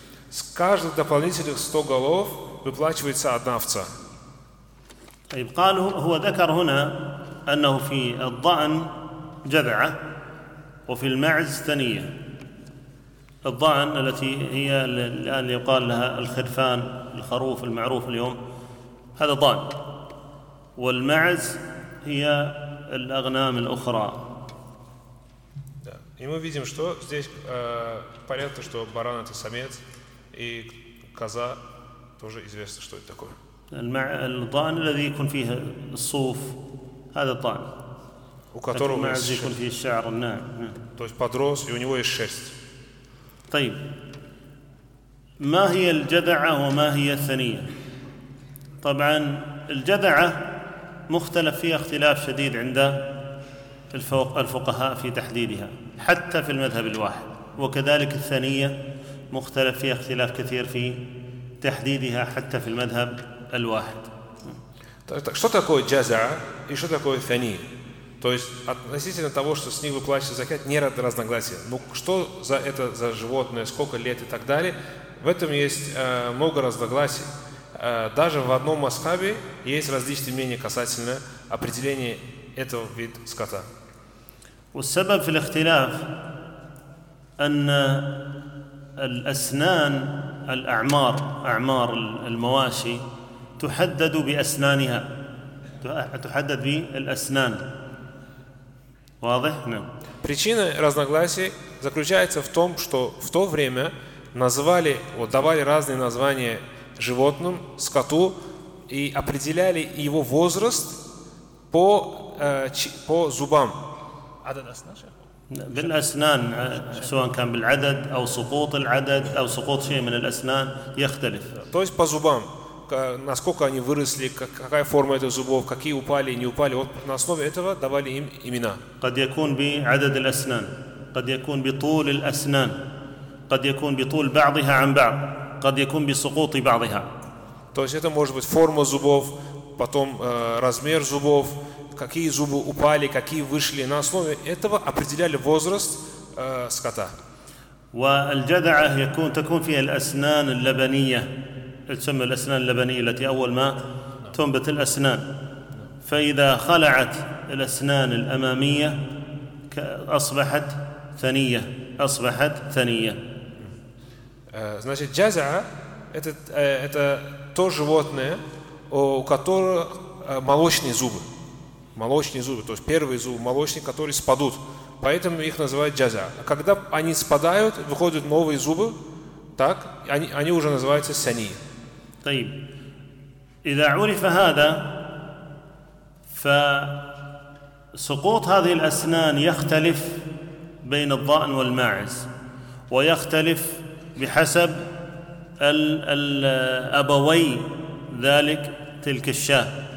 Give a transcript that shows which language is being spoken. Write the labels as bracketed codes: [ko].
[ru] С каждых дополнительных 100 голов выплачивается одна овца. [ar] طيب قال هو ذكر هنا انه في الضأن جذعه وفي المعز ثنيه. الضأن التي هي الان يقال لها الخرفان الخروف المعروف اليوم هذا ضأن، والمعز هي الاغنام الاخرى. [ru] И мы видим, что здесь понятно, что баран это самец. И коза тоже известно, что это такое. [ar] الضأن الذي يكون فيه الصوف هذا الضأن. [ru] У которого есть шерсть. [ar] يكون فيه الشعر الناعم. [ru] То есть подрос и у него есть шерсть. [ar] طيب. ما هي الجذعة وما هي الثنية؟ طبعا الجذعة مختلف فيها اختلاف شديد عند الفقهاء في تحديدها حتى في المذهب الواحد، وكذلك الثنية مختلف فيها اختلاف كثير في تحديدها حتى في المذهب الواحد. [ru] Что такое джазаа и что такое фания? То есть относительно того, что с них выплачивается закят, нет разногласия. Ну что за это за животное, сколько лет и так далее? В этом есть много разногласий. Даже в одном масхабе есть различные мнения касательно определения этого вида скота. [ar] والسبب في الاختلاف أن الأسنان الأعمار أعمار المواشي تحدد بأسنانها تحدد بالأسنان. واضح؟ نعم. [ru] Причина разногласий заключается в том, что в то время называли, вот давали разные названия животным, скоту, и определяли его возраст по зубам. [ar] بالأسنان سواء كان بالعدد أو سقوط العدد أو سقوط شيء من الأسنان يختلف. [ru] То есть по зубам, насколько они выросли, какая форма этих зубов, какие упали, не упали. Вот на основе этого давали им имена. [ar] قد يكون بعدد الأسنان, قد يكون بطول الأسنان, قد يكون بطول بعضها عن بعض, قد يكون بسقوط بعضها. [ru] То есть это может быть форма зубов, потом размер зубов. Какие зубы упали, какие вышли, на основе этого определяли возраст скота. [ar] والجذعة يكون تكون فيها الأسنان اللبنية, تسمى الأسنان اللبنية التي أول ما تنبت الأسنان. فإذا خلعت الأسنان الأمامية أصبحت ثنية, أصبحت ثنية. [ru] Значит, جذعة это то животное, у которого молочные зубы. Молочные зубы, то есть первые зубы молочные, которые спадут. Поэтому их называют джазя. А когда они спадают, выходят новые зубы, так, они уже называются сяни. [ar] طيب. إذا عرف هذا, فسقوط هذه الأسنان يختلف بين الضأن والماعز, ويختلف بحسب الأبوي ذلك تلك الشاه.